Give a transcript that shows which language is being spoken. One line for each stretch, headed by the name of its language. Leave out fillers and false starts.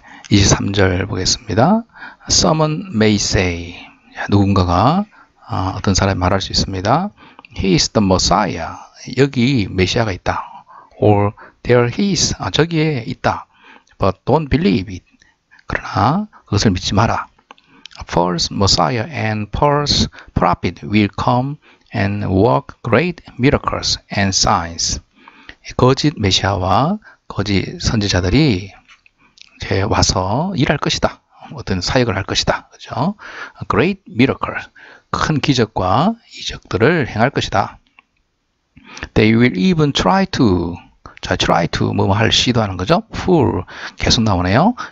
Korean: 23절 보겠습니다.
English: Someone may say,
Korean: 누군가가 어떤 사람이 말할 수 있습니다.
English: He is the Messiah.
Korean: 여기 메시아가 있다.
English: Or there he is.
Korean: 저기에 있다.
English: But don't believe it.
Korean: 그러나 그것을 믿지 마라.
English: False Messiah and false prophet will come and work great miracles and signs.
Korean: 거짓 메시아와 거짓 선지자들이 이제 와서 일할 것이다. 어떤 사역을 할 것이다. 그죠?
English: Great miracles.
Korean: 큰 기적과 이적들을 행할 것이다.
English: They will even try to. 자, try to.
Korean: 뭐할 시도하는 거죠?
English: Fool.
Korean: 계속 나오네요.